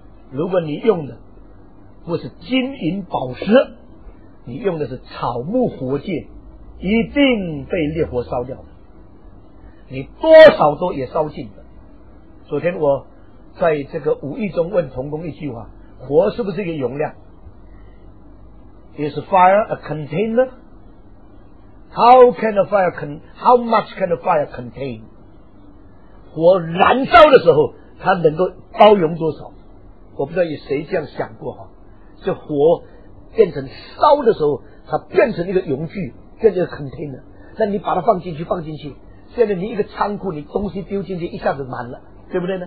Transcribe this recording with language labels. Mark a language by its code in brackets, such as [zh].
[zh] 如果你用的不是金银宝石，你用的是草木火箭，一定被烈火烧掉的，你多少都也烧尽的。昨天我在这个无意中问同工一句话，火是不是一个容量？ [en] Is fire a container? How can a fire how much can a fire contain? [zh] 火燃烧的时候它能够包容多少，我不知道有谁这样想过哈。这火变成烧的时候它变成一个容具，变成一个 container， 那你把它放进去放进去，现在你一个仓库你东西丢进去一下子满了，对不对呢？